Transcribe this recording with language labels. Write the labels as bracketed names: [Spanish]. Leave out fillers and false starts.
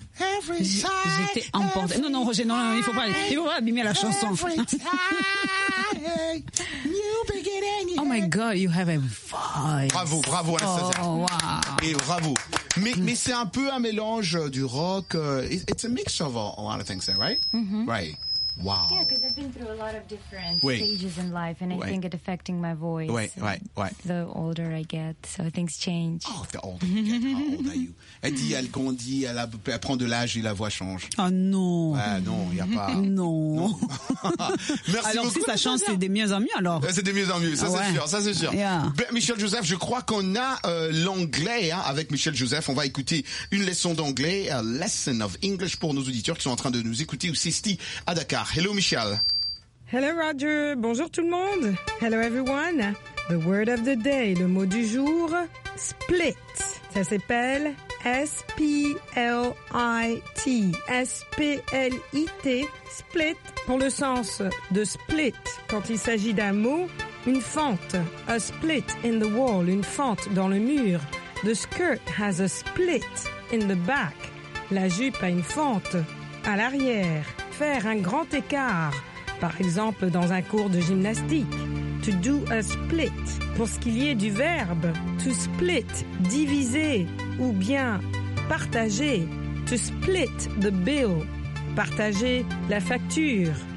[French] Every time. J'étais emporté. Non, Roger, non, il faut pas abîmer la chanson. [English] Every time. New beginning. Oh my God, you have a voice. Bravo, Anastasia. Oh, wow. [French] Et bravo. Mais c'est un peu un mélange du rock. [English] It's a mix of a lot of things, there, right? Mm-hmm. Right. Wow. Yeah, because I've been through a lot of different stages in life, and I think it's affecting my voice. Right. The older I get, so things change. Oh, the older you get, how old are you? [French] Elle grandit, elle prend de l'âge et la voix change. Ah oh, non. Ah non, il n'y a pas. Non. Merci alors, beaucoup. Alors, si ça change, c'est de mieux en mieux, alors. C'est de mieux en mieux, ça c'est sûr. [English] Yeah. [French] Ben, Michel Joseph, je crois qu'on a l'anglais hein, avec Michel Joseph. On va écouter une leçon d'anglais, a lesson of English pour nos auditeurs qui sont en train de nous écouter au Sisti à Dakar. [English] Hello, Michel. Hello, Roger. Bonjour tout le monde. Hello, everyone. The word of the day, le mot du jour, split. [French] Ça s'appelle S-P-L-I-T. S-P-L-I-T. Split. Pour le sens de split, quand il s'agit d'un mot, une fente. [English] A split in the wall, une fente dans le mur. The skirt has a split in the back. [French] La jupe a une fente à l'arrière. Faire un grand écart, par exemple dans un cours de gymnastique. To do a split. Pour ce qu'il y ait du verbe, to split, diviser ou bien partager. [English] To split the bill, partager la facture.